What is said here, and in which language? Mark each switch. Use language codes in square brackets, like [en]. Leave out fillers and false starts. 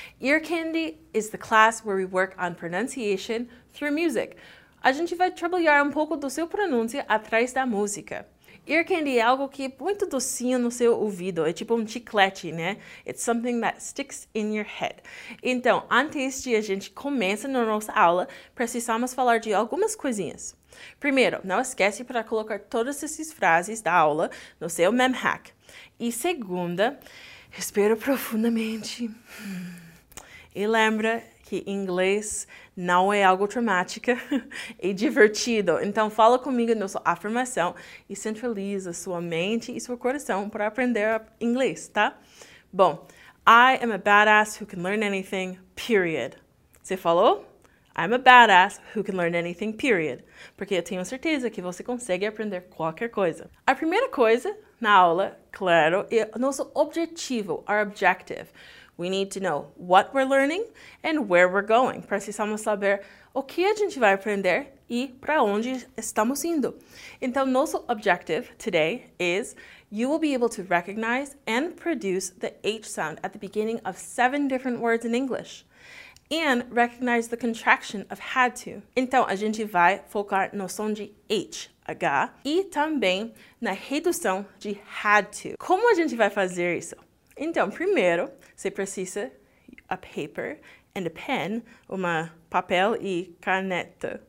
[en] Ear Candy is the class where we work on pronunciation through music. [pt] A gente vai trabalhar pouco do seu pronúncio atrás da música. Ear Candy é algo que é muito docinho no seu ouvido. É tipo chiclete, né? [en] It's something that sticks in your head. [pt] Então, antes de a gente começar na nossa aula, precisamos falar de algumas coisinhas. Primeiro, não esquece para colocar todas essas frases da aula no seu MemHack. E segunda, respira profundamente. E lembra que inglês não é algo traumático, é divertido. Então, fala comigo na sua afirmação e centraliza sua mente e seu coração para aprender inglês, tá? [en] Bom, I am a badass who can learn anything, period. [pt] Você falou? [en] I'm a badass who can learn anything, period. [pt] Porque eu tenho certeza que você consegue aprender qualquer coisa. A primeira coisa na aula, claro, é nosso objetivo, [en] our objective. We need to know what we're learning and where we're going. [pt] Precisamos saber o que a gente vai aprender e para onde estamos indo. Então, nosso [en] objective today is you will be able to recognize and produce the H sound at the beginning of 7 different words in English. And recognize the contraction of had to. [pt] Então, a gente vai focar no som de H, H, e também na redução de had to. Como a gente vai fazer isso? Então, primeiro, você precisa [en] a paper and a pen, [pt] uma papel e caneta.